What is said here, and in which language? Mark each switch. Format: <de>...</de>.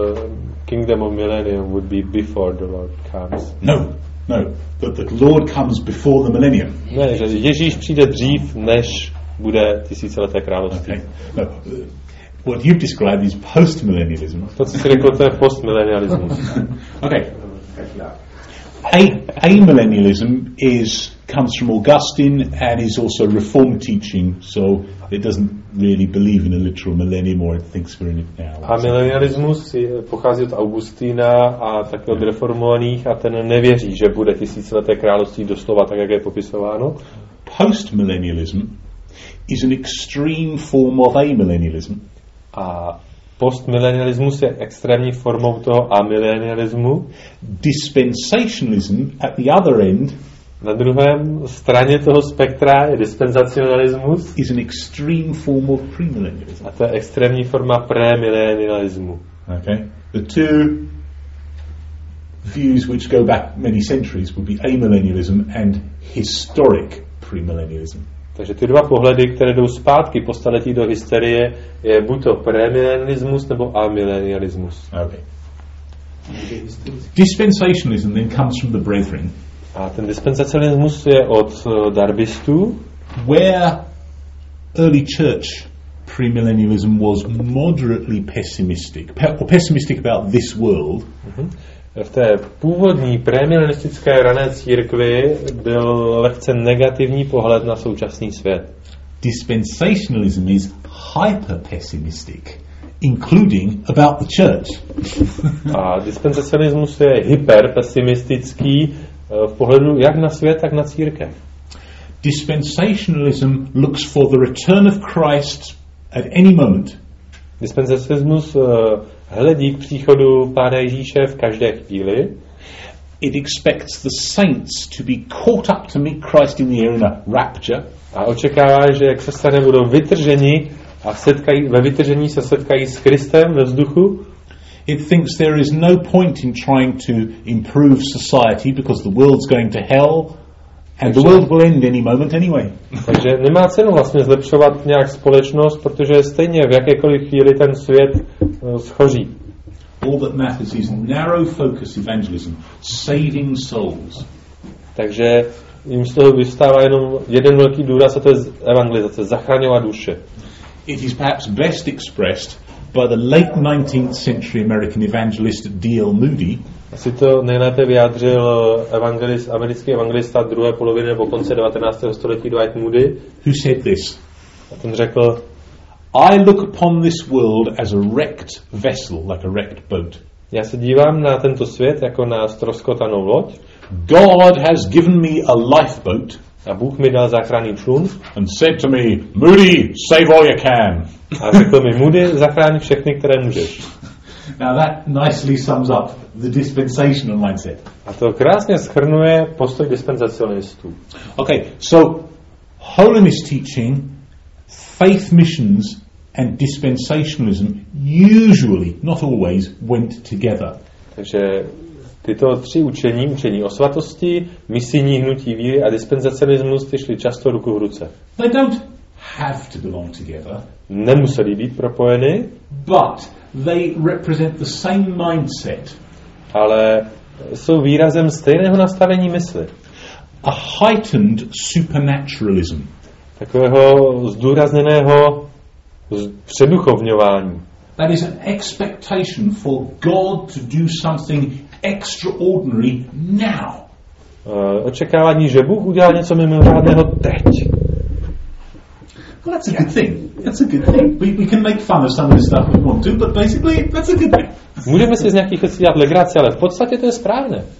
<en>The kingdom of millennium would be before the Lord comes. No, that the Lord comes before the millennium.</en> <cs>Ne, že Ježíš přijde dřív, než bude tisícileté království.</cs> <en>Okay. No, what you've described is post-millennialism.</en> <cs>To, co jsi řekl, to je post-millennialismus.</cs> <en>Okay. amillennialism comes from Augustine and is also Reformed teaching, so it doesn't really believe in a literal millennium, or it thinks we're in it now.</en> <cs>Amillennialismus pochází od Augustína a taky od reformovaných, a ten nevěří, že bude tisícileté království doslova tak, jak je popisováno.</cs> <en>Postmillennialism is an extreme form of amillennialism.</en> <cs>A postmillennialismus je extrémní formou toho amillennialismu.</cs> <en>Dispensationalism at the other end.</en> <cs>Na druhé straně toho spektra je dispenzacionalismus.</cs> <en>Is an extreme form of premillennialism.</en> <cs>A to je extrémní forma premillennialismu.</cs> <en>Okay. The two views which go back many centuries would be amillennialism and historic premillennialism.</en> <cs>Takže ty dva pohledy, které jdou zpátky po staletí do historie, je buď to premillennialismus nebo amillennialismus.</cs> <en>Okay. Dispensationalism then comes from the Brethren.</en> <cs>A ten dispensacionalismus je od darbistů.</cs> <en>Where early church premillennialism was moderately pessimistic, pessimistic about this world.</en> <cs>V té původní premillennialistické rané církvi byl lehce negativní pohled na současný svět.</cs> <en>Dispensationalism is hyper-pessimistic, including about the church.</en> <cs>A dispensacionalismus je hyper-pesimistický v pohledu jak na svět, tak na církev.</cs> <en>Dispensationalism looks for the return of Christ at any moment.</en> <cs>Dispensacionismus hledí k příchodu Pána Ježíše v každé chvíli.</cs> <en>It expects the saints to be caught up to meet Christ in the air in a rapture.</en> <cs>A očekává, že křesťané budou vytrženi a ve vytržení se setkají s Kristem ve vzduchu.</cs> <en>It thinks there is no point in trying to improve society because the world's going to hell and the world will end any moment anyway.</en> <cs>Takže nemá cenu vlastně zlepšovat nějak společnost, protože stejně v jakékoliv chvíli ten svět schoří.</cs> <en>All that matters is narrow focus evangelism, saving souls.</en> <cs>Takže jim z toho vystává jenom jeden velký důraz, a to je evangelizace, zachraňovat duše.</cs> <en>It is perhaps best expressed by the late 19th century American evangelist D.L. Moody.</en> <cs>Asi to nejlépe vyjádřil americký evangelista druhé poloviny nebo konce 19. století Dwight Moody.</cs> <en>Who said this?</en> <cs>A ten řekl:</cs> <en>I look upon this world as a wrecked vessel, like a wrecked boat.</en> <cs>Já se dívám na tento svět jako na ztroskotanou loď.</cs> <en>God has given me a lifeboat.</en> <cs>A Bůh mi dal záchranný člun.</cs> <en>And said to me, Moody, save all you can.</en> <cs>A řekl mi, Moody, zachraň všechny, které můžeš.</cs> <en>Now that nicely sums up the dispensational mindset.</en> <cs>A to krásně shrnuje postoj dispensacionistů.</cs> <en>Okay, so holiness teaching, faith missions and dispensationalism usually, not always, went together.</en> <cs>Takže tyto tři učení, učení o svatosti, misijní hnutí víry a dispensacionismus, ty šly často ruku v ruce.</cs> <en>They don't have to belong together.</en> <cs>Nemuseli být propojeny.</cs> <en>But they represent the same mindset.</en> <cs>Ale jsou výrazem stejného nastavení mysli.</cs> <en>A heightened supernaturalism.</en> <cs>Takového zdůrazněného předuchovňování.</cs> <en>That is an expectation for God to do something extraordinary now.</en> <cs>Očekávání, že Bůh udělá něco mimořádného teď.</cs> <en>Well, that's a good thing. That's a good thing. We can make fun of some of this stuff if we want to, but basically that's a good thing.</en> <cs>Můžeme si z nějakých věcí dělat legraci, ale v podstatě to je správné.</cs>